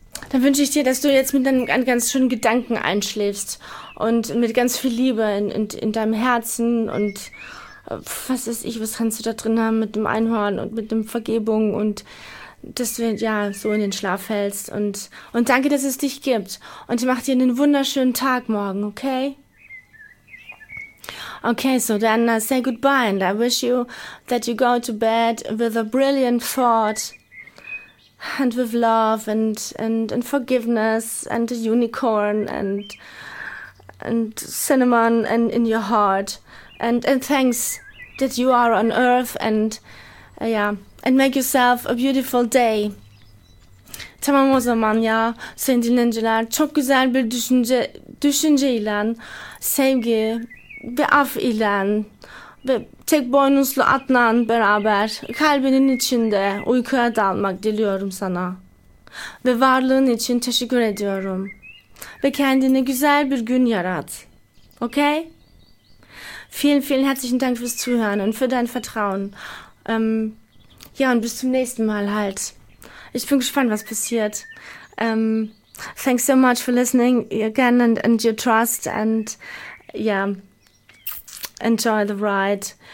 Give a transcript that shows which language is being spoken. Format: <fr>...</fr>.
<de>Dann wünsche ich dir, dass du jetzt mit deinen ganz schönen Gedanken einschläfst und mit ganz viel Liebe in deinem Herzen und was weiß ich, was kannst du da drin haben mit dem Einhorn und mit dem Vergebung und dass du ja so in den Schlaf fällst und danke, dass es dich gibt und ich mache dir einen wunderschönen Tag morgen, okay?</de> <en>Okay, so then say goodbye and I wish you that you go to bed with a brilliant thought. And with love and forgiveness and a unicorn and cinnamon and in your heart and thanks that you are on earth and yeah and make yourself a beautiful day.</en> <tr>Tamamoza man ya sevgilinciler çok güzel bir düşünceyle sevgi ve af ile ve tek boynuzlu atla beraber kalbinin içinde uykuya dalmak diliyorum sana. Ve varlığın için teşekkür ediyorum. Ve kendine güzel bir gün yarat. Okay?</tr> <de>Vielen, vielen herzlichen Dank fürs Zuhören und für dein Vertrauen. Ja, und bis zum nächsten Mal halt. Ich bin gespannt, was passiert.</de> <en>Thanks so much for listening again and your trust and yeah, enjoy the ride.</en>